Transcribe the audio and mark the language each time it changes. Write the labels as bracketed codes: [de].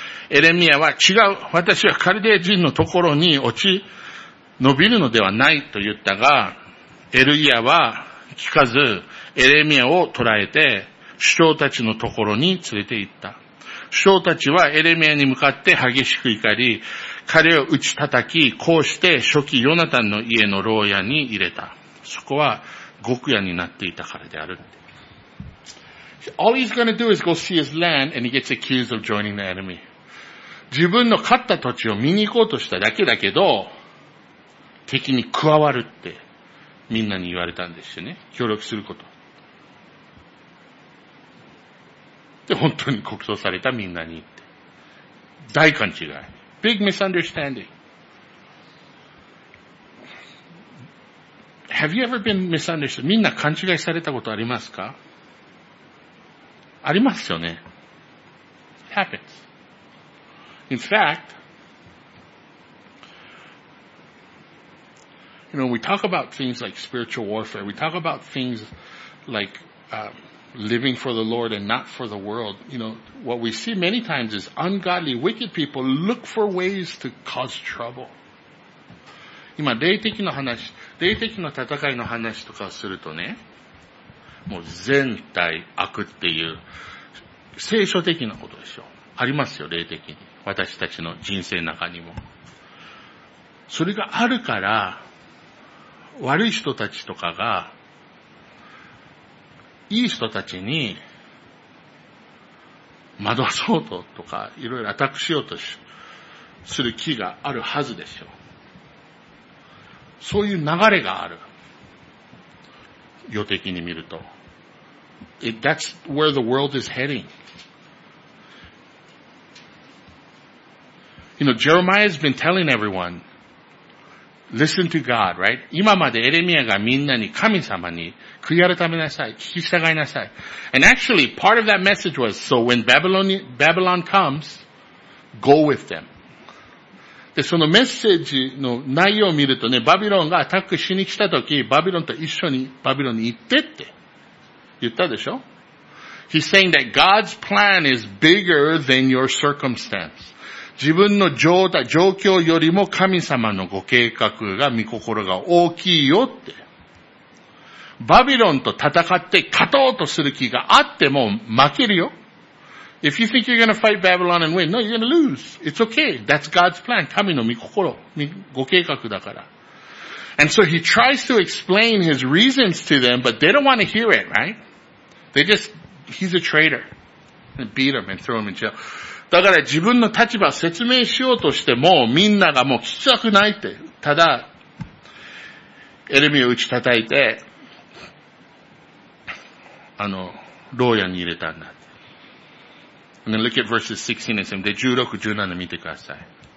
[ja] エレミアは違う、私はカルデ人のところに落ち延びるのではないと言ったが、エルイヤは聞かず、エレミアを捕らえて、首長たちのところに連れて行った。首長たちはエレミアに向かって激しく怒り、彼を打ち叩き、こうして初期ヨナタンの家の牢屋に入れた。そこは獄屋になっていたからである。 [en] All he's gonna do is go see his land and he gets accused of joining the enemy. [ja] 自分の買った土地を見に行こうとしただけだけど、敵に加わるってみんなに言われたんですよね。協力すること。で、本当に告訴されたみんなにって。大勘違い。 [en] Big misunderstanding. Have you ever been misunderstood? [ja] みんな勘違いされたことありますか？ありますよね。 [en] Happens. In fact, you know, we talk about things like spiritual warfare. We talk about things like, living for the Lord and not for the world. You know, what we see many times is ungodly, wicked people look for ways to cause trouble. [ja] 今、霊的な戦いの話とかするとね、もう全体悪っていう、聖書的なことでしょ。ありますよ、霊的に。私たちの人生の中にも。それがあるから、悪い人たちとかが、いい人たちに惑わそうととかいろいろアタックしようとする気があるはずでしょう。そういう流れがある。予的に見ると。 [en] That's where the world is heading. You know, Jeremiah's been telling everyone, listen to God, right? [ja] 今までエレミアがみんなに神様に悔い改めなさい、聞き従いなさい。 [en] And actually, part of that message was, so when Babylon comes, go with them. [ja] で、そのメッセージの内容を見るとね、バビロンがアタックしに来たとき、バビロンと一緒にバビロンに行ってって言ったでしょ？ [en] He's saying that God's plan is bigger than your circumstance. [ja] 自分の状況よりも神様のご計画が、御心が大きいよって。バビロンと戦って勝とうとする気があっても負けるよ。 [en] If you think you're gonna fight Babylon and win, no, you're gonna lose. It's okay. That's God's plan. [ja] 神の御心、ご計画だから。 [en] And so he tries to explain his reasons to them, but they don't want to hear it, right? He's a traitor. And beat him and throw him in jail. [ja] だから自分の立場を説明しようとしても、みんながもう聞きたくないって。ただ、エレミを打ち叩いて、あの、牢屋に入れたんだ。 [en] And then look at verses 16 and 17. [ja] で、16、17見てください。